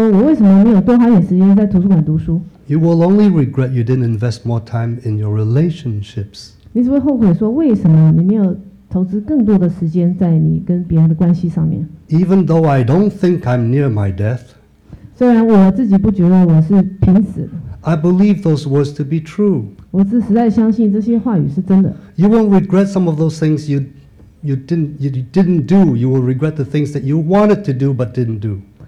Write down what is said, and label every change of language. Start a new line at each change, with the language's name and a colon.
Chinese: 但是呢，当你在临死的时候呢，在病床上，你不会想说我为什么没有多花点时间在图书馆读书。
English: You will only regret you didn't invest more time in your relationships.
Chinese: 你只会后悔说为什么你没有投资更多的时间在你跟别人的关系上面。
English: Even though I don't think I'm near my death.
Chinese: 虽然我自己不觉得我是濒死。
English: I believe those words to be true.
Chinese: 我是实在相信这些话语是真的。
English: You won't regret some of those things you didn't do. You will regret the things that you wanted to do but didn't do.